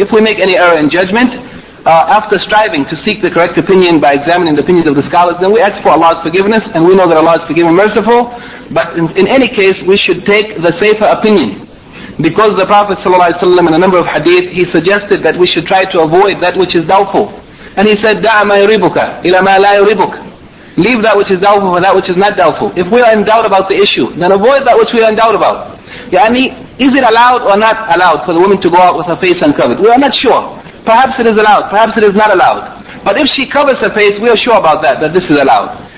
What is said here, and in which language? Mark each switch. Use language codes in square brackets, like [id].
[en] If we make any error in judgment, after striving to seek the correct opinion by examining the opinions of the scholars, then we ask for Allah's forgiveness, and we know that Allah is forgiving and merciful. But in any case, we should take the safer opinion. Because the Prophet ﷺ, in a number of hadith, he suggested that we should try to avoid that which is doubtful. And he said, [ar] دَعَ مَا يُرِبُكَ إِلَى مَا لَا يُرِبُكَ. [en] Leave that which is doubtful for that which is not doubtful. If we are in doubt about the issue, then avoid that which we are in doubt about. Yani, is it allowed or not allowed for the woman to go out with her face uncovered? We are not sure. Perhaps it is allowed, perhaps it is not allowed. But if she covers her face, we are sure about that this is allowed.